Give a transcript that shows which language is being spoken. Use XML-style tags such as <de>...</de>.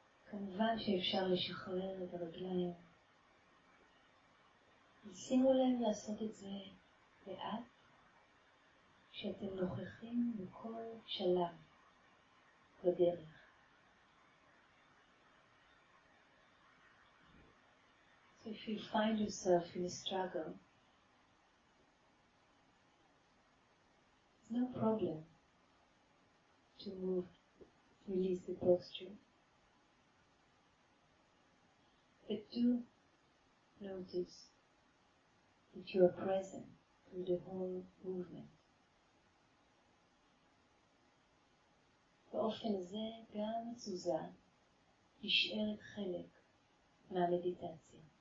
<he>כמובן שאפשר לשחרר את הרגליים. שימו לב לעשות את זה לאט, כשאתם נוכחים בכל שלב בדרך.</he> <en>So if you find yourself in a struggle, it's no problem to move, release the posture. But do notice that you are present through the whole movement.</en> <he>באופן זה גם התזוזה נשארת חלק מהמדיטציה.</he>